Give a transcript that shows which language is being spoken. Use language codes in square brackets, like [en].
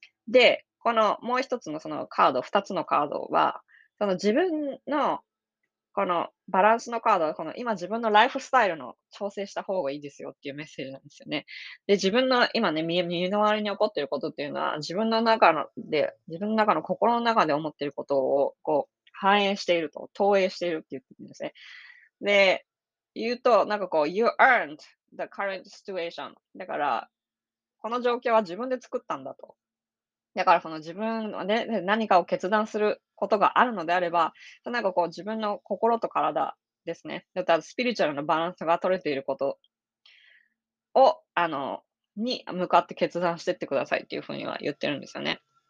[ja] で、このもう一つのそのカード、二つのカードは、その自分のこのバランスのカードは、この今自分のライフスタイルの調整した方がいいですよっていうメッセージなんですよね。で、自分の今ね、身の回りに起こっていることっていうのは、自分の中の心の中で思っていることをこう反映していると、投影しているって言ってるんですね。で、言うと、なんかこう、 [en] You earned the current situation. [ja] だから、この状況は自分で作ったんだと。だからその自分はね、何かを決断することがあるのであれば、なんかこう自分の心と体ですね、だからスピリチュアルのバランスが取れていることに向かって決断していってくださいっていうふうには言ってるんですよね。